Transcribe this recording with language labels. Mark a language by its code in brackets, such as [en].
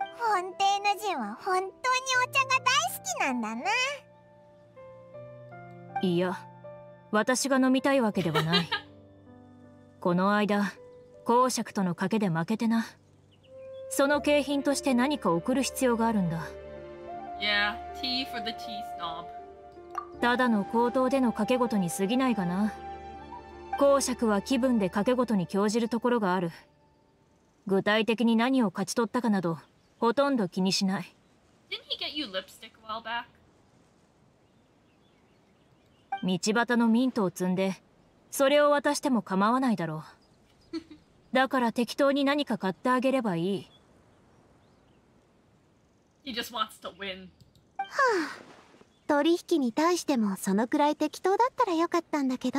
[ja] フォンテーヌ人は本当にお茶が大好きなんだな。いや、私が飲みたいわけではない。この間、公爵との賭けで負けてな。その景品として何か送る必要があるんだ。 [en] Yeah, tea for the tea snob. [ja] ただの口頭での賭け事に過ぎないがな。公爵は気分で賭け事に興じるところがある。具体的に何を勝ち取ったかなど、ほとんど気にしない。 [en] Didn't he get you lipstick a while back? [ja] 道端のミントを摘んで、それを渡しても構わないだろう。だから適当に何か買ってあげればいい。 [en] He just wants to win. [ja] はあ、取引に対してもそのくらい適当だったらよかったんだけど。